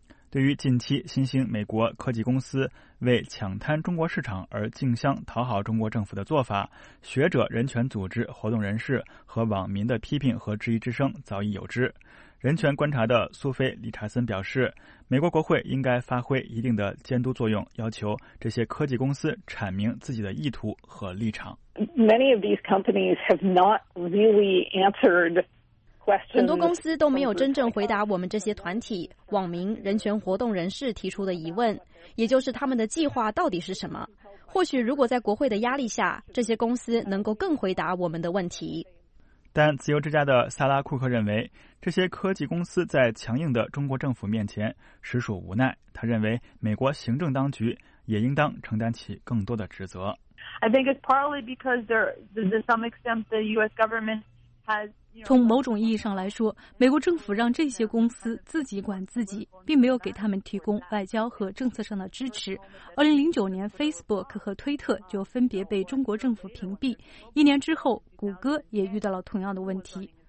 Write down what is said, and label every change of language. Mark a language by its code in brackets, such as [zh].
[zh] 对于近期新兴美国科技公司为抢滩中国市场而竞相讨好中国政府的做法，学者、人权组织、活动人士和网民的批评和质疑之声早已有之。人权观察的苏菲·理查森表示，美国国会应该发挥一定的监督作用，要求这些科技公司阐明自己的意图和立场。 [en] Many of these companies have not really answered. [zh] 很多公司都没有真正回答我们这些团体、网民、人权活动人士提出的疑问，也就是他们的计划到底是什么。或许如果在国会的压力下，这些公司能够更回答我们的问题。但自由之家的萨拉·库克认为，这些科技公司在强硬的中国政府面前实属无奈。他认为，美国行政当局也应当承担起更多的职责。 [en] I think it's partly because there, to some extent, the U.S. government has. [zh] 从某种意义上来说，美国政府让这些公司自己管自己，并没有给他们提供外交和政策上的支持。 2009年 Facebook 和推特就分别被中国政府屏蔽，一年之后谷歌也遇到了同样的问题。